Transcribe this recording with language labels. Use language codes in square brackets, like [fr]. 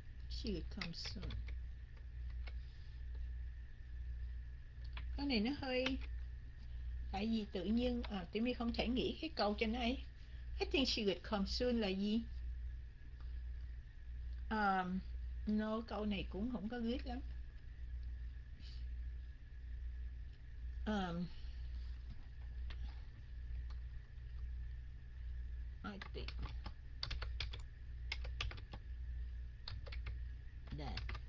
[en] She would come soon. [vi] Cái này nó hơi, tại vì tự nhiên tụi mình không thể nghĩ cái câu trên này. [en] I think she would come soon là gì? [vi] No, câu này cũng không có biết lắm. [en] I think that.